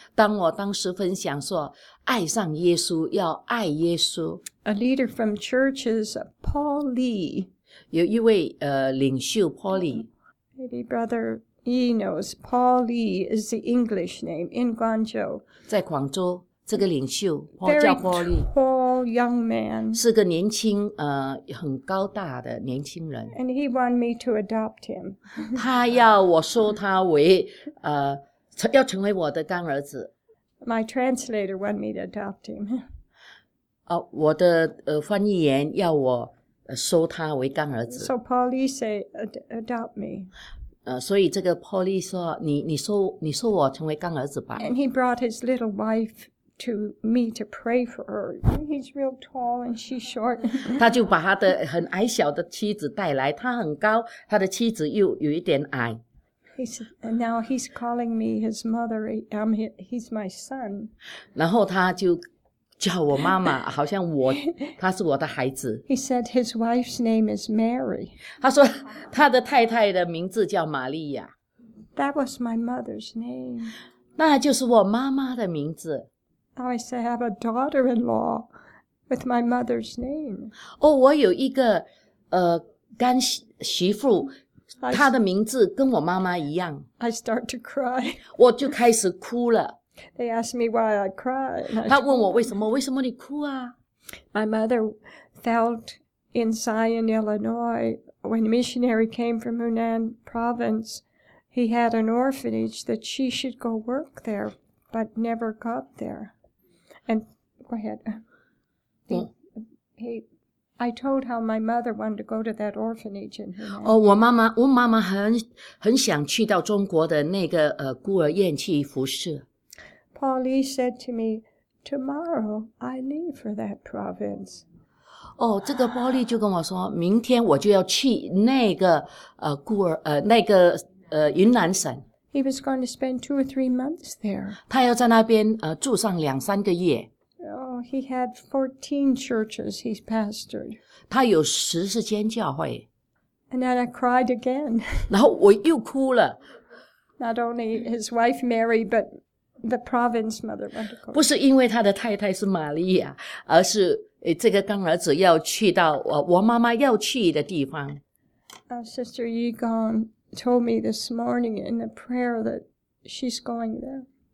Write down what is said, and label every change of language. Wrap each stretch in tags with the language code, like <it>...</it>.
<zh>当我当时分享说爱上耶稣，要爱耶稣。</zh> <en>A leader from churches, Paul Lee.</en> <zh>有一位领袖 Paul Lee.</zh> <en>Maybe Brother E knows Paul Lee is the English name in Guangzhou.</en> <zh>在广州，这个领袖叫 Paul Lee.</zh> <en>Tall young man.</en> <zh>是个年轻很高大的年轻人。</zh> <en>And he wanted me to adopt him.</en> <zh>他要我收他为要成为我的干儿子。</zh> <en>My translator wanted me to adopt him.</en> <zh>我的翻译员要我收他为干儿子。</zh> <en>So Paul Lee say, adopt me.</en> <zh>所以这个 Paul Lee 说，你收我成为干儿子吧。</zh> <en>And he brought his little wife to me to pray for her. He's real tall and she's short.</en> <zh>他就把他的很矮小的妻子带来，他很高，他的妻子又有一点矮。</zh> <en>And now he's calling me his mother. He's my son.</en> <zh>然后他就叫我妈妈，好像我他是我的孩子。</zh> <en>He said his wife's name is Mary.</en> <zh>他说他的太太的名字叫玛利亚。</zh> <en>That was my mother's name.</en> <zh>那就是我妈妈的名字。</zh> <en>Now I say I have a daughter-in-law with my mother's name.</en> <zh>我有一个干媳妇。她的名字跟我妈妈一样。</zh> <en>I start to cry.</en> <zh>我就开始哭了。</zh> <en>They asked me why I cried.</en> <zh>她问我为什么你哭啊？</zh> <en>My mother felt in Zion, Illinois, when a missionary came from Hunan province, he had an orphanage that she should go work there, but never got there. And go ahead. I told how my mother wanted to go to that orphanage in Hunan.</en> <zh>我妈妈很想去到中国的那个孤儿院去服侍。</zh> <en>Paul Lee said to me, "Tomorrow I leave for that province."</en> <zh>这个 Paul Lee 就跟我说，明天我就要去那个孤儿那个云南省。</zh> <en>He was going to spend 2 or 3 months there.</en> <zh>他要在那边住上两三个月。</zh> <en>He had 14 churches he's pastored.</en> <zh>他有14间教会。</zh> <en>And then I cried again.</en> <zh>然后我又哭了。</zh> <en>Not only his wife Mary, but the province mother.</en> <zh>不是因为他的太太是玛利亚，而是这个干儿子要去到我妈妈要去的地方。</zh> <en>Sister Yigong told me this morning in the prayer that she's going there.</en>